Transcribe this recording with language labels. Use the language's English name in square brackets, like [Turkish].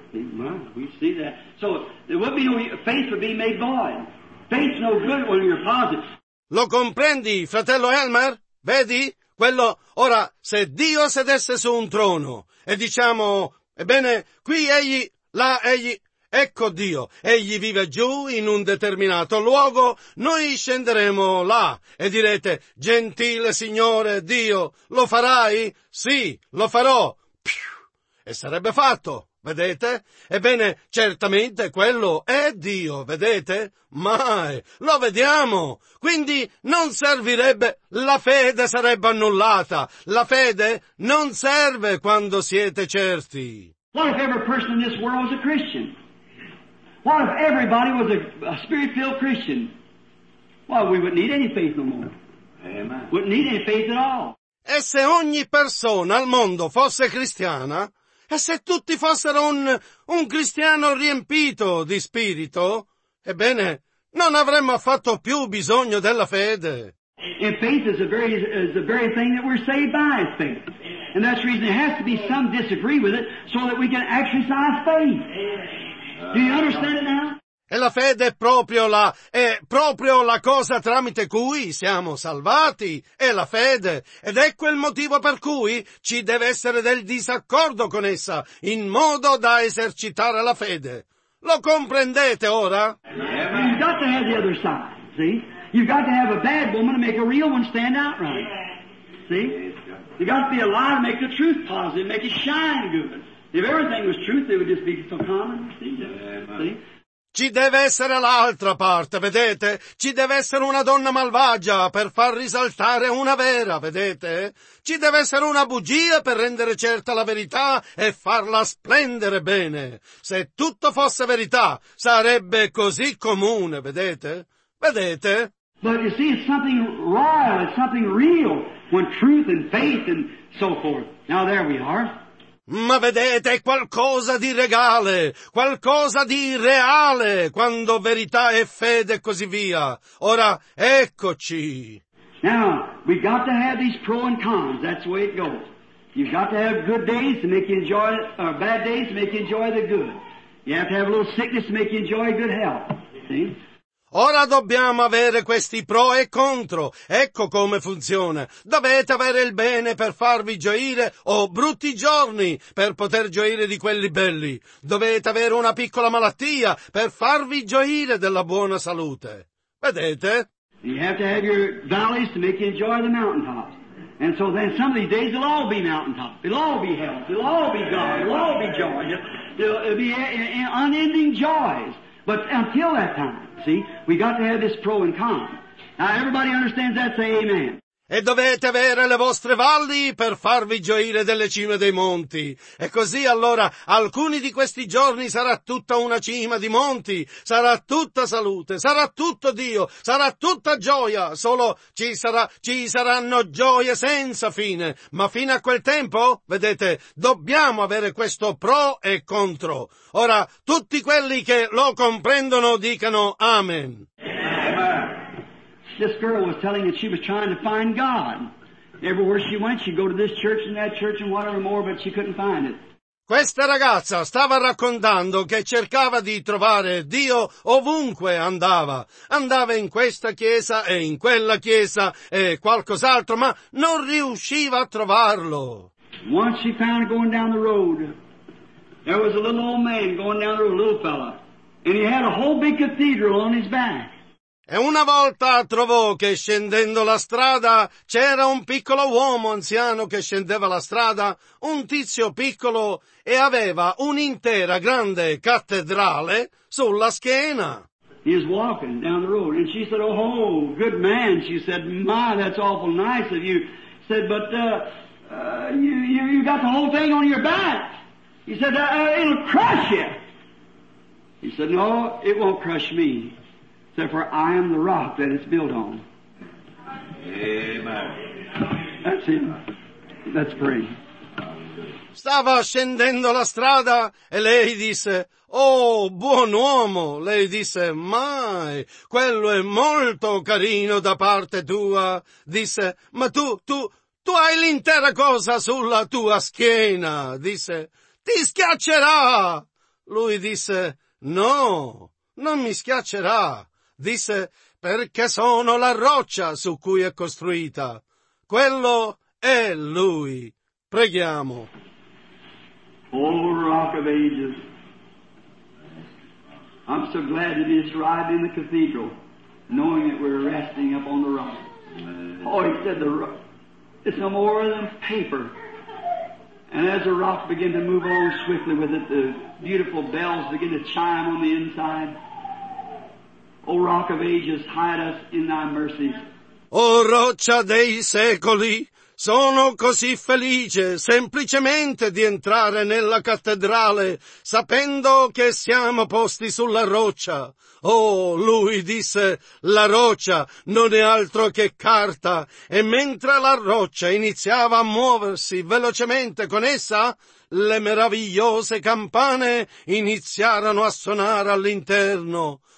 [English] Well, we see that. So, there would be no, faith would be made void. Faith's no good when you're positive. [Italian] Lo comprendi, fratello Elmer? Vedi? Quello, ora, se Dio sedesse su un trono, e diciamo, ebbene, qui egli, là egli, ecco Dio, egli vive giù in un determinato luogo, noi scenderemo là e direte, gentile Signore Dio, lo farai? Sì, lo farò. E sarebbe fatto, vedete? Ebbene, certamente quello è Dio, vedete? Mai, lo vediamo. Quindi non servirebbe, la fede sarebbe annullata. La fede non serve quando siete certi. [English] What if every person in this world was a Christian? What if everybody was a spirit-filled Christian? Well, we wouldn't need any faith no more. Amen. Wouldn't need any faith at all. [Italian] E se ogni persona al mondo fosse cristiana, e se tutti fossero un cristiano riempito di spirito, ebbene, non avremmo affatto più bisogno della fede. [English] And faith is the very thing that we're saved by, is faith. And that's the reason there has to be some disagree with it so that we can exercise faith. Do you understand it now? [Italian] E la fede è proprio la cosa tramite cui siamo salvati, è la fede, ed ecco il motivo per cui ci deve essere del disaccordo con essa, in modo da esercitare la fede. Lo comprendete ora? [English] You've got to have the other side, see? You've got to have a bad woman to make a real one stand out right, see? You've got to be a lie to make the truth positive, make it shine good. If everything was truth, it would just be so common, see? [Italian] Ci deve essere l'altra parte, vedete? Ci deve essere una donna malvagia per far risaltare una vera, vedete? Ci deve essere una bugia per rendere certa la verità e farla splendere bene. Se tutto fosse verità, sarebbe così comune, vedete? Vedete? [English] But you see, it's something royal, it's something real, when truth and faith and so forth. Now there we are. [Italian] Ma vedete, è qualcosa di regale, qualcosa di reale, quando verità e fede e così via. Ora, eccoci. [English] Now, we've got to have these pros and cons, that's the way it goes. You've got to have good days to make you enjoy, or bad days to make you enjoy the good. You have to have a little sickness to make you enjoy good health, see? [Italian] Ora dobbiamo avere questi pro e contro. Ecco come funziona. Dovete avere il bene per farvi gioire o brutti giorni per poter gioire di quelli belli. Dovete avere una piccola malattia per farvi gioire della buona salute. Vedete? [English] You have to have your valleys to make you enjoy the mountaintops. And so then some of these days it'll all be mountaintops. It'll all be health. It'll all be God. It'll all be joy. It'll be unending joys. But until that time, see, we got to have this pro and con. Now everybody understands that, say amen. [Italian] E dovete avere le vostre valli per farvi gioire delle cime dei monti. E così allora, alcuni di questi giorni sarà tutta una cima di monti, sarà tutta salute, sarà tutto Dio, sarà tutta gioia, solo ci saranno gioie senza fine. Ma fino a quel tempo, vedete, dobbiamo avere questo pro e contro. Ora, tutti quelli che lo comprendono dicano amen. [English] This girl was telling that she was trying to find God. Everywhere she went, she'd go to this church and that church and whatever more, but she couldn't find it. [Italian] Questa ragazza stava raccontando che cercava di trovare Dio ovunque andava. Andava in questa chiesa e in quella chiesa e qualcos'altro, ma non riusciva a trovarlo. [English] Once she found it going down the road, there was a little old man going down the road, a little fella, and he had a whole big cathedral on his back. [Italian] E una volta trovò che scendendo la strada c'era un piccolo uomo anziano che scendeva la strada, un tizio piccolo, e aveva un'intera grande cattedrale sulla schiena. [English] He is walking down the road and she said, oh, good man, she said, my, that's awful nice of you. He said, but you got the whole thing on your back. He said, it'll crush you. He said, no, it won't crush me. said, for I am the rock that it's built on. Amen. That's him. Let's pray. [Italian] Stava scendendo la strada e lei disse, oh, buon uomo, lei disse, mai, quello è molto carino da parte tua, disse, ma tu hai l'intera cosa sulla tua schiena, disse, ti schiaccerà, lui disse, no, non mi schiaccerà, disse, perché sono la roccia su cui è costruita, quello è lui, preghiamo. [English] O rock of ages, I'm so glad to be arrived in the cathedral, knowing that we're resting up on the rock. Oh, he said, the rock, it's no more than paper. And as the rock began to move along swiftly with it, the beautiful bells began to chime on the inside. O rock of ages, hide us in thy mercies. [Italian] O roccia dei secoli, sono così felice semplicemente di entrare nella cattedrale, sapendo che siamo posti sulla roccia. Oh, lui disse, la roccia non è altro che carta, e mentre la roccia iniziava a muoversi velocemente con essa, le meravigliose campane iniziarono a suonare all'interno.